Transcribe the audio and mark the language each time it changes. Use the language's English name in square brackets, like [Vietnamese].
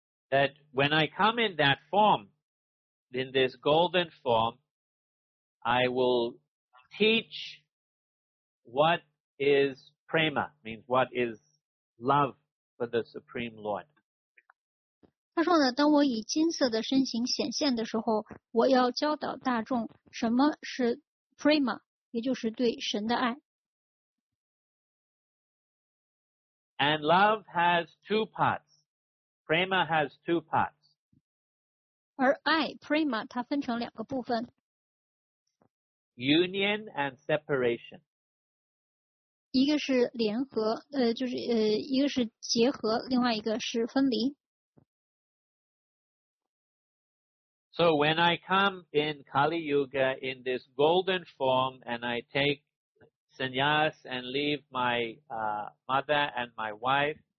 [English] that when I come in that form,In this golden form, I will teach what is prema, means what is love for the Supreme Lord. [Chinese] 他说呢，当我以金色的身形显现的时候，我要教导大众什么是 prema, 也就是对神的爱。 [English] And love has two parts. Prema has two parts. [Chinese] 而爱 prema 它分成两个部分 [English] ，union and separation。 [Chinese] 一个是联合，就是一个是结合，另外一个是分离。 [English] So when I come in Kali Yuga in this golden form and I take sannyas and leave my mother and my wife，